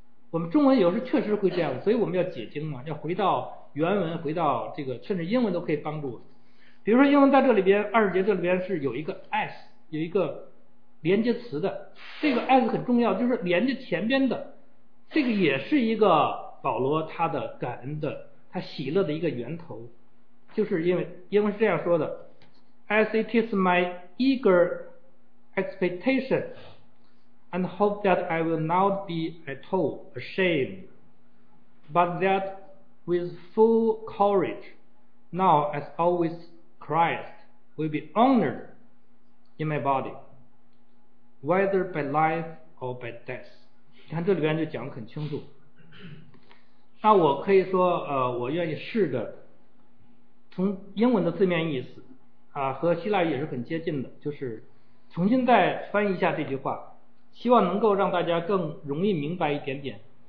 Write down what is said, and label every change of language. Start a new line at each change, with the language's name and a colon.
Chinese: 我们中文有时确实会这样，所以我们要解经嘛，要回到原文，回到这个，甚至英文都可以帮助我。比如说英文在这里边二十节这里边是有一个 s， 有一个连接词的，这个 s 很重要，就是连接前边的，这个也是一个保罗他的感恩的，他喜乐的一个源头。就是因为英文是这样说的，
English: as it is my eager expectation and hope that I will not be at all ashamed, but that with full courage now as always Christ will be honored in my body, whether by life or by death。
Chinese: 你看这里边就讲得很清楚，那我可以说我愿意试着从英文的字面意思啊，和希腊语也是很接近的，就是重新再翻译一下这句话，希望能够让大家更容易明白一点点。